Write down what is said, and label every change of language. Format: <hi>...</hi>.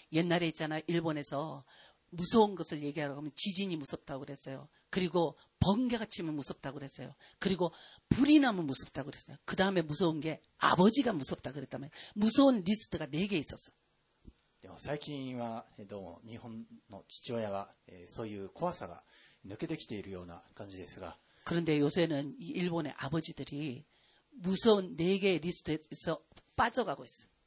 <ko>옛날에 있잖아, 일본에서 무서운 것을 얘기하라고 하면 지진이 무섭다고 그랬어요. 그리고 번개가 치면 무섭다고 그랬어요. 그리고 불이 나면 무섭다고 그랬어요. 그 다음에 무서운 게 아버지가 무섭다고 그랬다면 무서운 리스트가 네 개 있었어.</ko> <ja>最近はどうも日本の父親はそういう怖さが抜けてきているような感じですが。</ja> <ko>그런데 요새는 일본의 아버지들이 무서운 네 개의 리스트에서 빠져가고 있어.</ko>